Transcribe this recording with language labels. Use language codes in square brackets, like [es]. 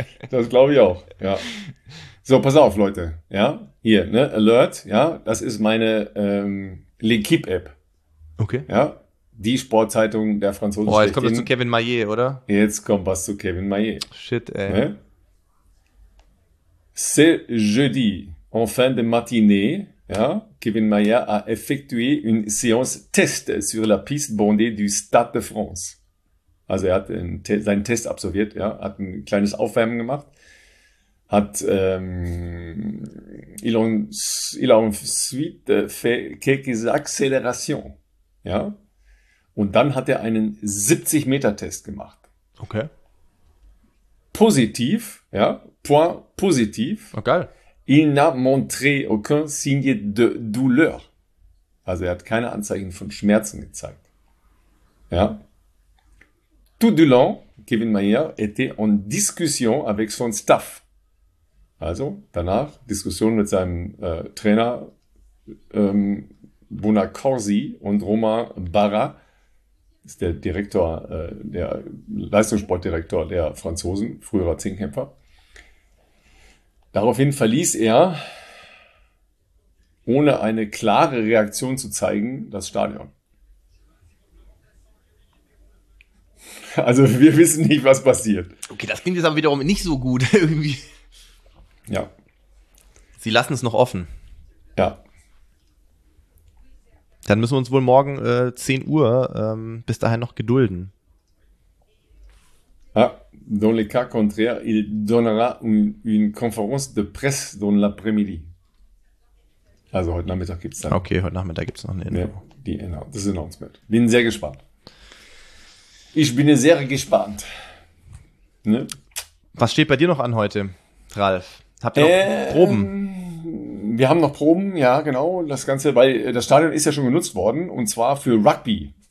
[de] Das glaube ich auch, ja. So, pass auf, Leute. Ja, hier, ne? Alert, ja, das ist meine L'Équipe-App. Okay. Ja, die Sportzeitung der Franzosen Boah, jetzt kommt das zu schlechthin. Kevin Mayer, oder? Jetzt kommt was zu Kevin Mayer. Shit, ey. Ne? [fr] C'est jeudi, en fin de matinée. Ja, Kevin Mayer a effectué une séance test sur la piste bondée du Stade de France. [de] Also er hat seinen Test absolviert, ja, hat ein kleines Aufwärmen gemacht, hat [fr] il a ensuite fait quelques accélérations, [de] ja, und dann hat er einen 70-Meter-Test gemacht. Okay. Positiv, ja, [fr] point positif. [de] Okay. [fr] Il n'a montré aucun signe de douleur. [de] Also er hat keine Anzeichen von Schmerzen gezeigt. Ja. [fr] Tout du long, Kevin Mayer était en discussion avec son staff. [de] Also danach Diskussion mit seinem Trainer Bonacorsi und Romain Barra, ist der Direktor, der Leistungssportdirektor der Franzosen, früherer Zehnkämpfer. Daraufhin verließ er, ohne eine klare Reaktion zu zeigen, das Stadion. Also wir wissen nicht, was passiert. Okay, das klingt jetzt aber wiederum nicht so gut irgendwie. Ja. Sie lassen es noch offen. Ja. Dann müssen wir uns wohl morgen 10 Uhr bis dahin noch gedulden. [fr] Ah, dans le cas contraire, il donnera une conférence de presse dans l'après-midi. [de] Also heute Nachmittag gibt es dann Okay, heute Nachmittag gibt es noch eine Info. die Announcement. Bin sehr gespannt. Ich bin sehr gespannt. Ne? Was steht bei dir noch an heute, Ralf? Habt ihr noch Proben? Wir haben noch Proben, ja, genau. Das Ganze, weil das Stadion ist ja schon genutzt worden und zwar für Rugby.